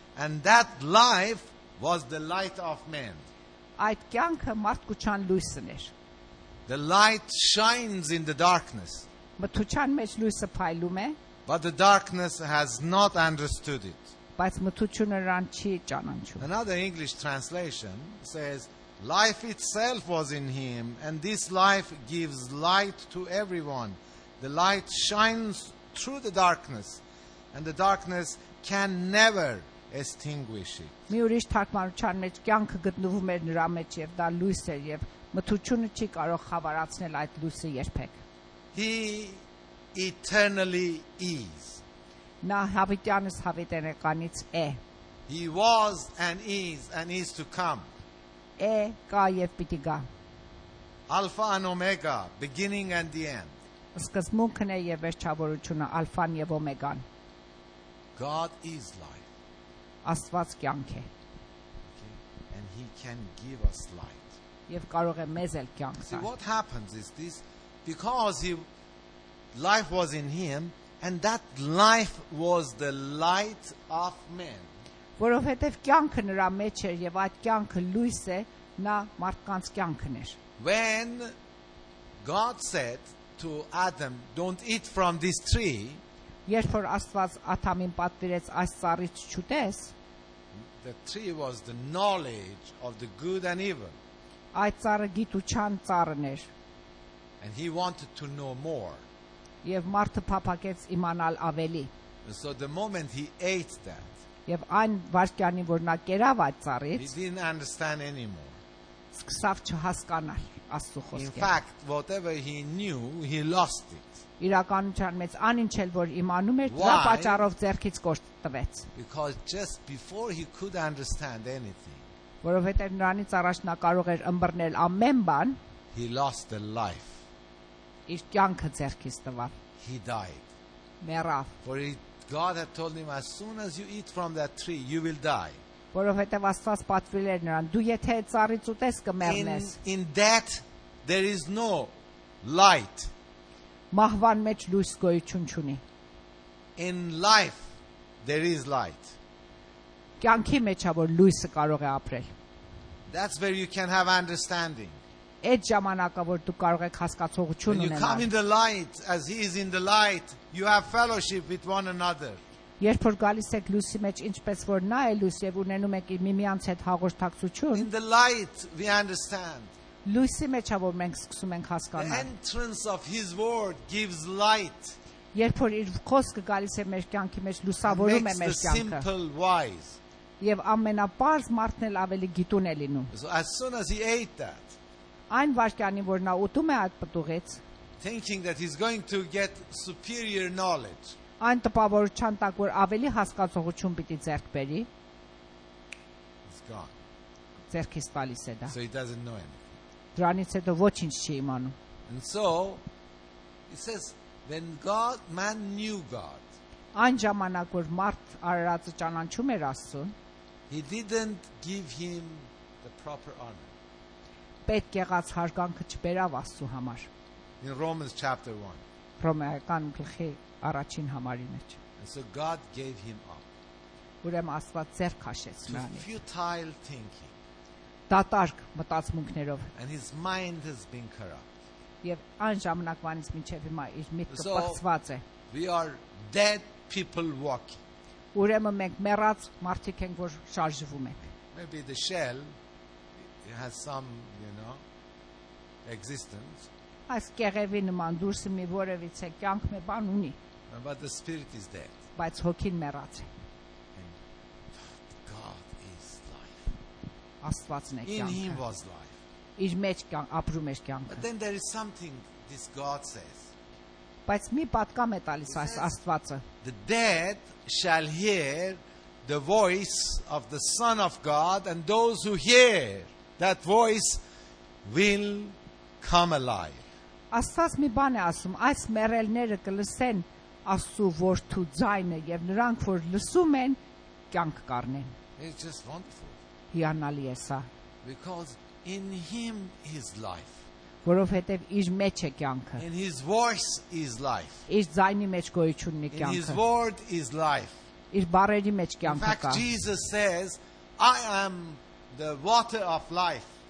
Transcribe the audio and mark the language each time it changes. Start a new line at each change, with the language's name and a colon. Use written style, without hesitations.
English: And that life was the light of men.
Armenian: Այդ կյանքը մարդկության լույսն էր.
English: The light shines in the darkness.
Armenian: Մթության մեջ լույսը փայլում է.
English: But the darkness has not understood it.
Armenian: Բայց մթությունը նրան չի ճանաչում.
English: Another English translation says, life itself was in him, and this life gives light to everyone. The light shines through the darkness, and the darkness can never extinguish it.
Armenian: Մի ուրիշ թարգմանության մեջ կյանքը գտնվում էր նրա մեջ եւ դա լույս էր եւ մթությունը չի կարող խավարացնել այդ լույսը երբեք.
English: He eternally is.
Armenian: Նա հավիտյանս հավիտենականից է.
English: He was and is to come.
Armenian: Է կա եւ պիտի գա.
English: Alpha and Omega, beginning and the end.
Armenian: Սկզբունքն է եւ վերջավորությունը, Ալֆան եւ Օմեգան.
English: God is life.
Armenian: Աստված կյանք է.
English: And he can give us light.
Armenian: Եվ կարող է մեզ էլ կյանք տալ.
English: See, what happens is this, because life was in him, and that life was the light of men.
Armenian: Որովհետև կյանքը նրա մեջ էր եւ այդ կյանքը լույս է, նա մարդկանց կյանքն էր.
English: When God said to Adam, don't eat from this tree,
Armenian: երբ որ Աստված Աթամին պատվիրեց այս ծառից չուտես,
English: the tree was the knowledge of the good and evil.
Armenian: Այդ ծառը գիտության ծառն էր.
English: And he wanted to know more.
Armenian: Եվ մարդը փափակեց իմանալ ավելի.
English: And so the moment he ate that,
Armenian: եւ այն վայրկյանին, որ նա կերավ այդ ծառից,
English: he didn't understand anymore.
Armenian: սկսավ չհասկանալ Աստծո խոսքը.
English: In fact, whatever he knew, he lost it.
Armenian: Իրականության մեջ անինչ էլ որ իմանում էր, դա պատճառով ձեռքից կորտ տվեց.
English: Because just before he could understand anything.
Armenian: Որովհետև նրանից առաջ նա կարող էր ըմբռնել ամեն բան.
English: He lost the life.
Armenian: Իր կյանքը ձեռքից տվավ.
English: He died.
Armenian: Մեռավ.
English: For God had told him, as soon as you eat from that tree, you will die.
Armenian: Որովհետև Աստված պատվիրել էր նրան, դու եթե ծառից ուտես կմեռնես.
English: In death there is no light.
Armenian: Մահվան մեջ լույս գոյություն չունի.
English: In life there is light.
Armenian: Կյանքի մեջ է, որ լույսը կարող է ապրել.
English: That's where you can have understanding.
Armenian: Այդ ժամանակա որ դու կարող ես հասկացողություն ունենալ.
English: You come in the light as he is in the light. You have fellowship with one another.
Armenian: Երբ որ գալիս եք լույսի մեջ, ինչպես որ նա է լույս եւ ունենում եք միմյանց հետ հաղորդակցություն,
English: in the light we understand.
Armenian: Լույսի մեջ ա որ մենք սկսում ենք հասկանալ.
English: The entrance of his word gives light.
Armenian: Երբ որ իր խոսքը գալիս է մեր կյանքի մեջ, լուսավորում է մեր կյանքը.
English: Makes the simple wise.
Armenian: Եվ ամենապարզ մարդն էլ ավելի գիտուն է լինում.
English: So as soon as he ate that.
Armenian: Այն վարկյանին որ նա ուտում է այդ պտուղից,
English: thinking that he's going to get superior knowledge.
Armenian: Այն տպավորության տակ, որ ավելի հասկացողություն պիտի ձեռք բերի, ձեռքից տալիս է դա.
English: So he doesn't know anything.
Armenian: Դրանից հետո ոչինչ չի իմանում.
English: And so it says when God, man knew God.
Armenian: Այն ժամանակ, որ մարդ Արարածը ճանաչում էր Աստծուն,
English: he didn't give him the proper honor.
Armenian: Պետք եղած հարգանքը չբերավ Աստծու համար.
English: In Romans chapter 1.
Armenian: Ռոմեական գլխի առաջին համարի մեջ.
English: So God gave him up.
Armenian: Ուրեմն Աստված ձեռք քաշեց նրանի.
English: Futile thinking.
Armenian: Դատարկ մտածմունքներով.
English: And his mind has been corrupt.
Armenian: Եվ այն ժամանակվանից մինչև հիմա իր միտքը բացված է.
English: We are dead people walking.
Armenian: Ուրեմն մենք մեռած մարդիկ ենք, որ շարժվում ենք.
English: Maybe the shell has some, you know, existence.
Armenian: Այս կեղևի նման դուրս մի որևից է կյանք մի բան ունի.
English: But the spirit is dead.
Armenian: Բայց հոգին մեռած է.
English: God is life.
Armenian: Աստվածն է կյանքը.
English: In him was life.
Armenian: Իր մեջ կյանք, ապրում էր կյանքը.
English: But then there is something this God says.
Armenian: Բայց մի պատկամ է տալիս այս Աստվածը.
English: The dead shall hear the voice of the Son of God, and those who hear that voice will come alive.
Armenian: Աստված մի բան է ասում, այս մեռելները կլսեն Աստծո որդու ձայնը եւ նրանք որ լսում են կյանք կառնեն.
English: It's just wonderful.
Armenian: Հիանալի է սա.
English: Because in him is life.
Armenian: Որովհետեւ իր մեջ է կյանքը.
English: In his voice is life.
Armenian: Իր ձայնի մեջ գոյություն ունի կյանքը.
English: In his word is life.
Armenian: Իր բարերի մեջ կյանքը կա.
English: In fact, Jesus says, I am the water of life.